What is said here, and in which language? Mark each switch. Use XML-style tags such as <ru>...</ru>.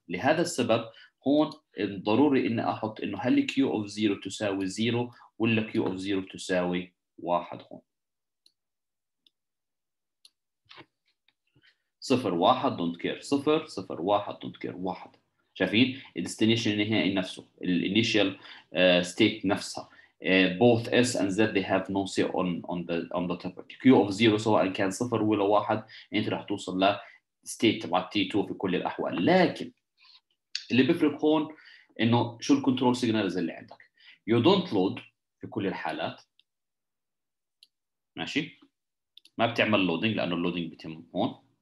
<ar>لهذا السبب هون ضروري ان احط انه هل كيو اوف 0 تساوي 0 ولا كيو اوف 0 تساوي 1 هون. 0 1 دونت كير، 0 0 1 دونت كير 1. شايفين الديستنيشن النهائي نفسه، الانيشال ستيت نفسها.</ar> <en>Both S and Z they have no say on the topic.</en> <ar>كيو اوف 0 سواء كان 0 ولا 1 انت راح توصل ل ستيت تبع T2 في كل الاحوال. لكن اللي بيفرق هون انه شو الكنترول سيجنالز اللي عندك.</ar> <en>you don't load</en> <ar>في كل الحالات، ماشي، ما بتعمل لودنج لانه اللودنج بيتم هون.</ar>